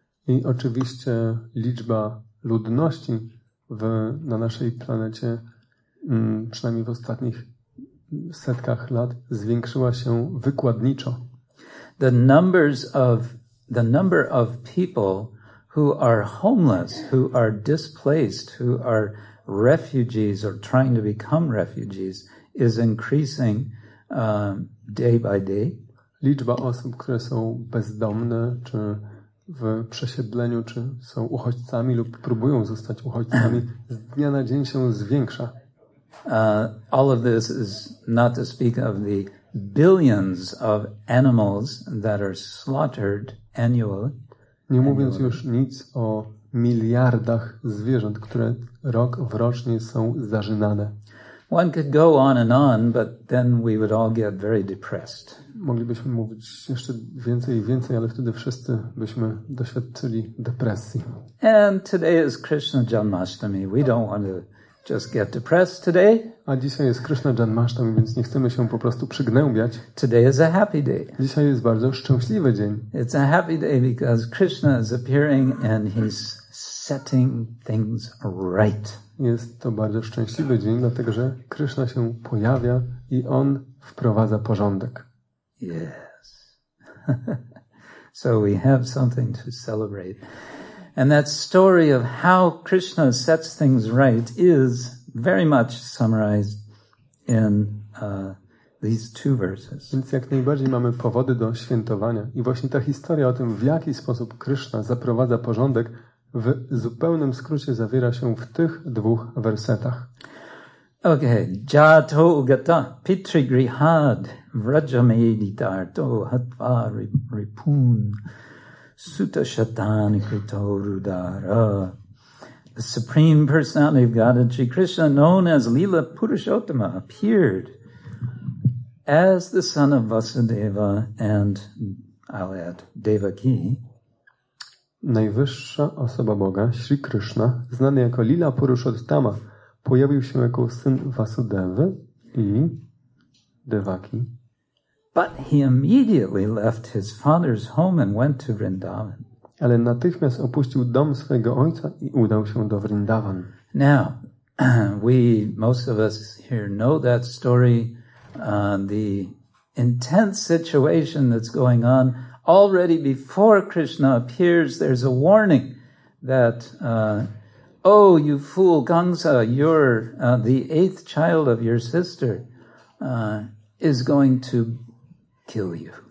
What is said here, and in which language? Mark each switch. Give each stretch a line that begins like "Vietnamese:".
Polish: I oczywiście liczba ludności na naszej planecie, przynajmniej w ostatnich setkach lat, zwiększyła się wykładniczo.
English: The number of people who are homeless, who are displaced, who are refugees or trying to become refugees is increasing day by day.
Polish: Liczba osób, które są bezdomne, czy w przesiedleniu, czy są uchodźcami lub próbują zostać uchodźcami, z dnia na dzień się zwiększa.
English: All of this is not to speak of the billions of animals that are slaughtered annually.
Polish: Nie mówiąc już nic o miliardach zwierząt, które rok w rocznie są zażynane.
English: One could go on and on, but then we would all get very depressed.
Polish: Moglibyśmy mówić jeszcze więcej i więcej, ale wtedy wszyscy byśmy doświadczyli depresji.
English: And today is Krishna Janmashtami. We don't want to just get depressed today.
Polish: A dzisiaj jest Krishna Janmashtami, więc nie chcemy się po prostu przygnębiać.
English: Today is a happy day.
Polish: Dzisiaj jest bardzo szczęśliwy dzień.
English: It's a happy day because Krishna is appearing and he's setting things right.
Polish: Jest to bardzo szczęśliwy dzień, dlatego że Krishna się pojawia i on wprowadza porządek.
English: Yes. So we have something to celebrate. And that story of how Krishna sets things right is very much summarized in these two verses.
Polish: Więc jak najbardziej mamy powody do świętowania. I właśnie ta historia o tym, w jaki sposób Krishna zaprowadza porządek, w zupełnym skrócie zawiera się w tych dwóch wersetach.
Sanskrit: Okay. Jato gata pitri grihad vrajamedidar to hatva ripun. Suta Shatani Krito Rudara.
English: The Supreme Personality of God and Sri Krishna, known as Lila Purushottama, appeared as the son of Vasudeva and, I'll add, Devaki.
Polish: Najwyższa osoba Boga, Sri Krishna, znany jako Lila Purushottama, pojawił się jako syn Vasudevy i Devaki.
English: But he immediately left his father's home and went to Vrindavan.
Polish: Ale natychmiast opuścił dom swojego ojca i udał się do Vrindavan.
English: Now, we, most of us here know that story the intense situation that's going on already before Krishna appears, there's a warning that, oh, you fool, Gangsa, you're the eighth child of your sister, is going to kill you.